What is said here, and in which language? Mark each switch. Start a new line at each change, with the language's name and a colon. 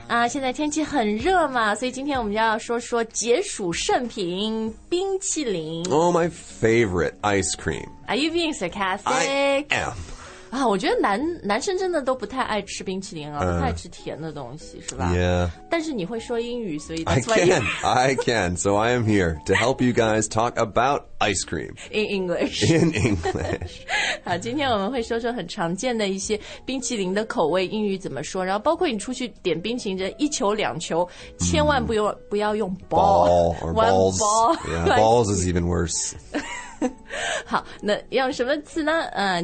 Chinese: 啊，现在天气很热嘛，所以今天我们就要说说解暑圣品冰淇淋。
English: Oh, my favorite ice cream. Are you being sarcastic? I am.
Chinese: 啊，我觉得男生真的都不太爱吃冰淇淋啊，不太吃甜的东西，是吧？
English: Yeah.
Chinese: 但是你会说英语，所以
English: that's why I can. So I am here to help you guys talk about ice cream. In English.
Chinese: 好，今天我们会说说很常见的一些冰淇淋的口味，英语怎么说。然后包括你出去点冰淇淋，这一球两球，千万不要用 ball
English: or balls. Yeah, balls is even worse.
Chinese: 好，那用什么词呢？